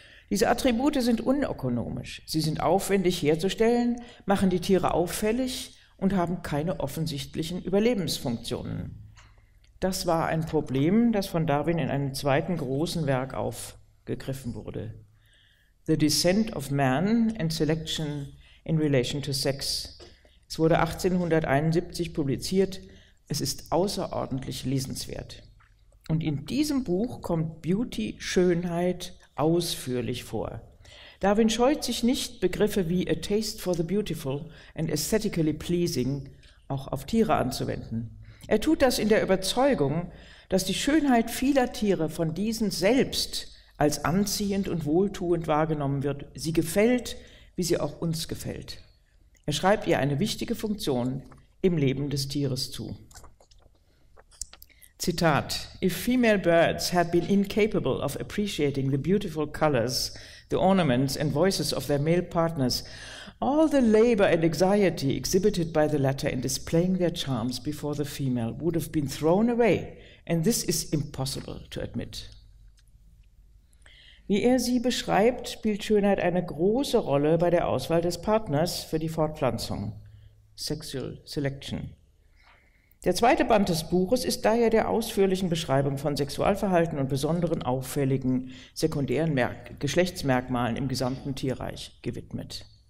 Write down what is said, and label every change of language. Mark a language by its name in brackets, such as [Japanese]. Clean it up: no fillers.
[German] Diese Attribute sind unökonomisch. Sie sind aufwendig herzustellen, machen die Tiere auffällig und haben keine offensichtlichen Überlebensfunktionen. Das war ein Problem, das von Darwin in einem zweiten großen Werk aufgegriffen wurde. [English] The Descent of Man and Selection in Relation to Sex. [German] Es wurde 1871 publiziert. Es ist außerordentlich lesenswert. Und in diesem Buch kommt Beauty, Schönheit ausführlich vor. Darwin scheut sich nicht, Begriffe wie [English] A Taste for the Beautiful and Aesthetically Pleasing [German] auch auf Tiere anzuwenden. Er tut das in der Überzeugung, dass die Schönheit vieler Tiere von diesen selbst als anziehend und wohltuend wahrgenommen wird. Sie gefällt, wie sie auch uns gefällt. Er schreibt ihr eine wichtige Funktion im Leben des Tieres zu. Zitat: [English] If female birds had been incapable of appreciating the beautiful colors, the ornaments and voices of their male partners, all the labor and anxiety exhibited by the latter in displaying their charms before the female would have been thrown away, and this is impossible to admit. [German] Wie er sie beschreibt, spielt Schönheit eine große Rolle bei der Auswahl des Partners für die Fortpflanzung, Sexual Selection. Der zweite Band des Buches ist daher der ausführlichen Beschreibung von Sexualverhalten und besonderen auffälligen sekundären Geschlechtsmerkmalen im gesamten Tierreich gewidmet.